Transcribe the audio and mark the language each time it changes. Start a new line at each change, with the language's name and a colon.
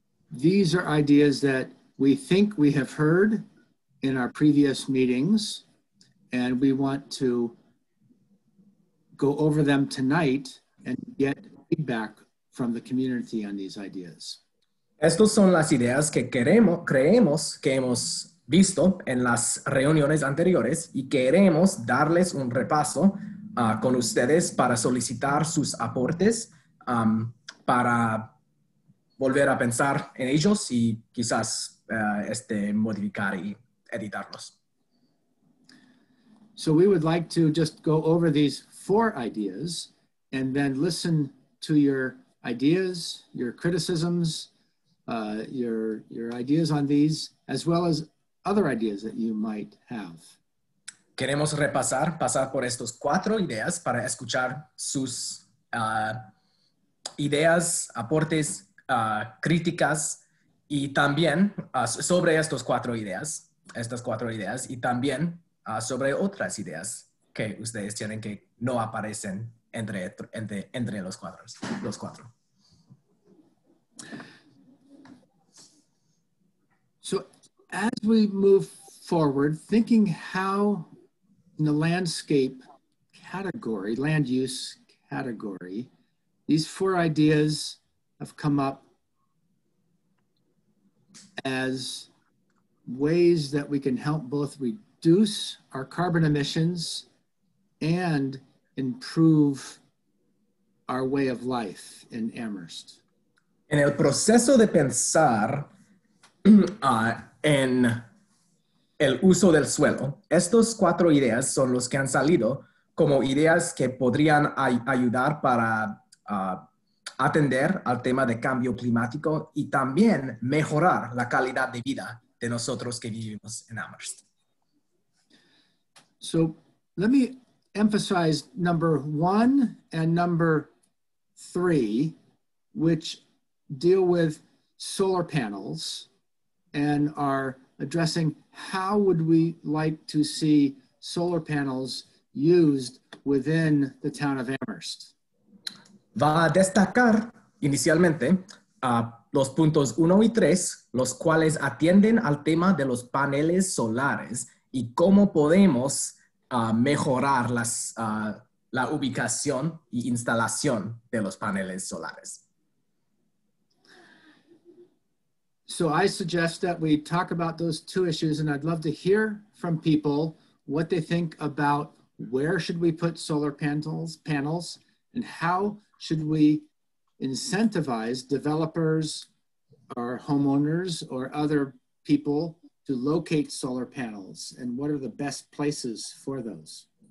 English: These are ideas that we think we have heard in our previous meetings, and we want to go over them tonight and get feedback from the community on these ideas.
Spanish: Estos son las ideas que creemos que hemos visto en las reuniones anteriores, y queremos darles un repaso con ustedes para solicitar sus aportes para volver a pensar en ellos y quizás modificar y editarlos.
English: So we would like to just go over these four ideas and then listen to your ideas, your criticisms, your ideas on these, as well as other ideas that you might have.
Spanish: Queremos repasar, pasar por estos cuatro ideas para escuchar sus ideas, aportes, críticas, y también sobre estos cuatro ideas. Estas cuatro ideas, y también sobre otras ideas que ustedes tienen que no aparecen entre los cuatro.
English: So as we move forward, thinking how in the landscape category, land use category, these four ideas have come up as ways that we can help both reduce our carbon emissions and improve our way of life in Amherst.
Spanish: En el proceso de pensar en el uso del suelo, estos cuatro ideas son los que han salido como ideas que podrían ayudar para atender al tema de cambio climático y también mejorar la calidad de vida de nosotros que vivimos en Amherst.
English: So let me emphasize number one and number three, which deal with solar panels and are addressing how would we like to see solar panels used within the town of Amherst.
Spanish: Va a destacar inicialmente a los puntos 1 y 3, los cuales atienden al tema de los paneles solares y cómo podemos mejorar la ubicación e instalación de los paneles solares.
English: So I suggest that we talk about those two issues, and I'd love to hear from people what they think about where should we put solar panels, and how should we incentivize developers or homeowners or other people to locate solar panels, and what are the best places for those?